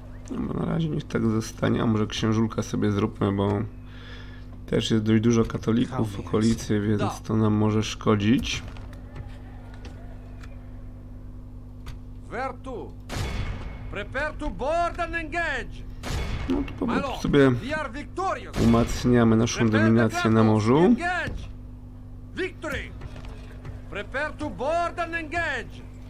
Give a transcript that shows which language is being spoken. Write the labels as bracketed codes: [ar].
[pl] No, bo na razie niech tak zostanie, a może księżulka sobie zróbmy, bo... Też jest dość dużo katolików w okolicy, więc to nam może szkodzić. Vertu! [en] Prepare to board and engage! [pl] No to po prostu sobie umacniamy naszą dominację na morzu. [en] Victory! Prepare to board and engage!